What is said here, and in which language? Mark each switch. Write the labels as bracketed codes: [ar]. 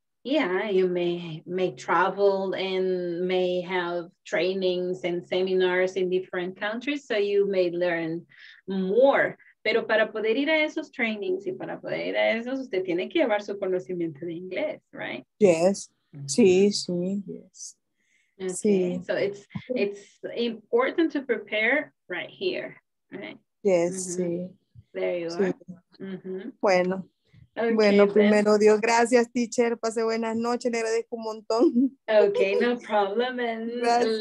[en] Yeah, you may travel and may have trainings and seminars in different countries, so you may learn more. [es] Pero para poder ir a esos trainings y para poder ir a esos, usted tiene que llevar su conocimiento de inglés, [en] right? Yes, [es] sí. [en] Okay. Sí. So it's important to prepare right here, right? Yes, mm-hmm. [es] Sí. [en] There you are. Mm-hmm. [es] Bueno. Okay, bueno, primero [en] then. [es] Dios, gracias, teacher. Pase buenas noches, le agradezco un montón. [en] Okay, no problem. And [es] gracias.